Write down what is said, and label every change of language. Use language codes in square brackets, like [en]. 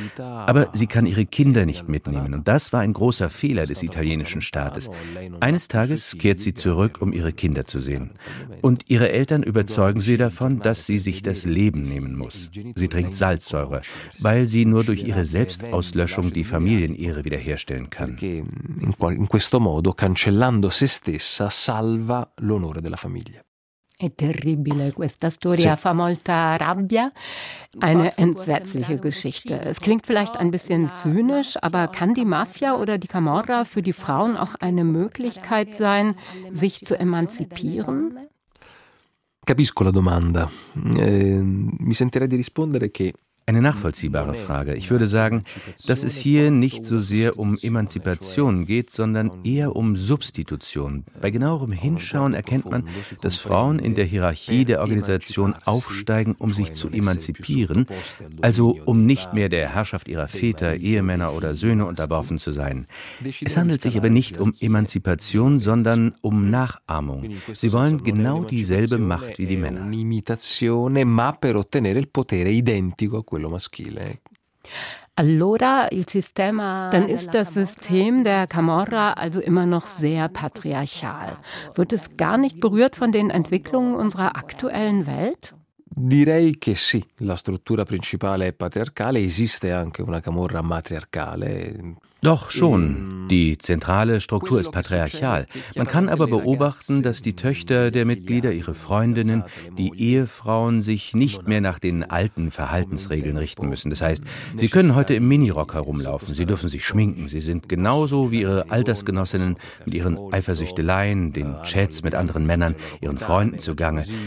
[de] Aber sie kann ihre Kinder nicht mitnehmen. Und das war ein großer Fehler des italienischen Staates. Eines Tages kehrt sie zurück, um ihre Kinder zu sehen. Und ihre Eltern überzeugen sie davon, dass sie sich das Leben nehmen muss. Sie trinkt Salzsäure, weil sie nur durch ihre Selbstauslöschung die Familienehre wiederherstellen kann. [it] In questo modo, cancellando se stessa, salva l'onore della famiglia. È terribile questa storia, fa molta rabbia. [de] Eine entsetzliche Geschichte. Es klingt vielleicht ein bisschen zynisch, aber kann die Mafia oder die Camorra für die Frauen auch eine Möglichkeit sein, sich zu emanzipieren? [it] Capisco la domanda. Mi sentirei di rispondere che. [de] Eine nachvollziehbare Frage. Ich würde sagen, dass es hier nicht so sehr um Emanzipation geht, sondern eher um Substitution. Bei genauerem Hinschauen erkennt man, dass Frauen in der Hierarchie der Organisation aufsteigen, um sich zu emanzipieren, also um nicht mehr der Herrschaft ihrer Väter, Ehemänner oder Söhne unterworfen zu sein. Es handelt sich aber nicht um Emanzipation, sondern um Nachahmung. Sie wollen genau dieselbe Macht wie die Männer. [it] Imitation, ma per ottenere il potere identico. Quello maschile. Allora, il sistema. [de] Dann ist das System der Camorra also immer noch sehr patriarchal. Wird es gar nicht berührt von den Entwicklungen unserer aktuellen Welt? [it] Direi che sì, la struttura principale è patriarcale, esiste anche una Camorra matriarcale. [de] Doch schon, die zentrale Struktur ist patriarchal. Man kann aber beobachten, dass die Töchter der Mitglieder, ihre Freundinnen, die Ehefrauen sich nicht mehr nach den alten Verhaltensregeln richten müssen. Das heißt, sie können heute im Minirock herumlaufen, sie dürfen sich schminken, sie sind genauso wie ihre Altersgenossinnen mit ihren Eifersüchteleien, den Chats mit anderen Männern, ihren Freunden zugange.